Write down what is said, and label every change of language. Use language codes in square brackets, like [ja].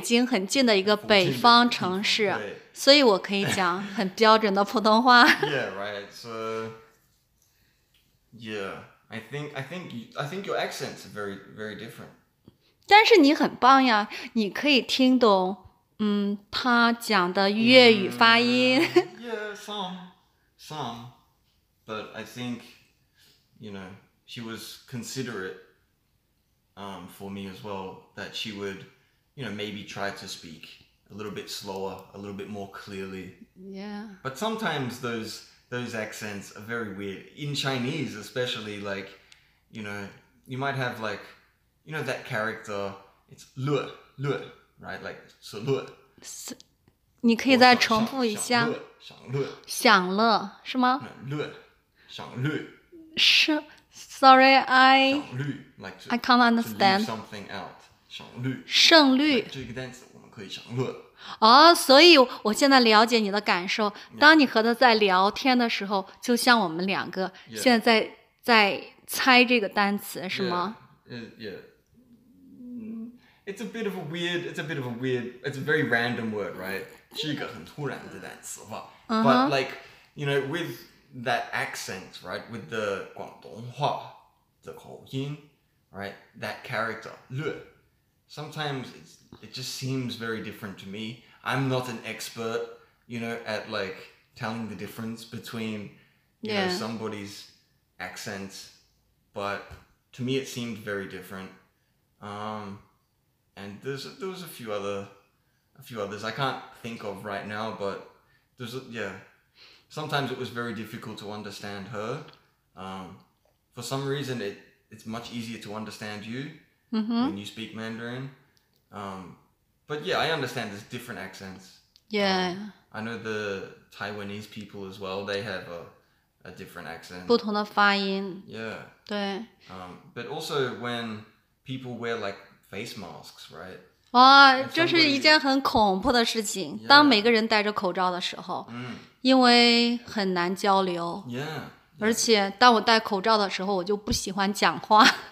[zh] 京很近的一个北方城市，所以我可以讲很标准的普通话。 [en] Yeah, right. So, yeah, I think your accents are very, very different. [zh] 但是你很棒呀，你可以听懂，他讲的粤语发音。 [en] Yeah, some. But I think, you know, she was considerate, for me as well, that she would. You know, maybe try to speak a little bit slower, a little bit more clearly. Yeah. But sometimes those accents are very weird. In Chinese, especially, like, you know, you might have, like, you know, that character, it's lu, right? Like, so lu. [zh] 你可以再重复一下。享乐。享乐是吗？乐。享乐。 [en] 是。Sorry, I... Like, I can't understand. To leave something out. 省略， [zh] 省略这个单词，我们可以省略。哦，所以我现在了解你的感受。当你和他在聊天的时候，就像我们两个现在 在猜这个单词，是吗 [en] ？Yeah. It's a bit of a weird. It's a very random word, right? [zh] 是一个很突然的单词吧。 [en] But like, you know, with that accent, right? With the [zh] 广东话的口音 [en] right? That character, le. Sometimes it just seems very different to me. I'm not an expert, you know, at like telling the difference between, you know, somebody's accent. But to me, it seemed very different. And there's a few others I can't think of right now. But sometimes it was very difficult to understand her. For some reason, it's much easier to understand you. When you speak Mandarin. But yeah, I understand there's different accents. Yeah. I know the Taiwanese people as well, they have a different accent. [zh] 不同的发音。 [en] Yeah. [zh] 对。 [en] But also when people wear like face masks, right? [zh] 哇，这是一件很恐怖的事情。 [en] Yeah. [zh] 当每个人戴着口罩的时候，因为很难交流。 [en] Yeah. [zh] 而且当我戴口罩的时候，我就不喜欢讲话。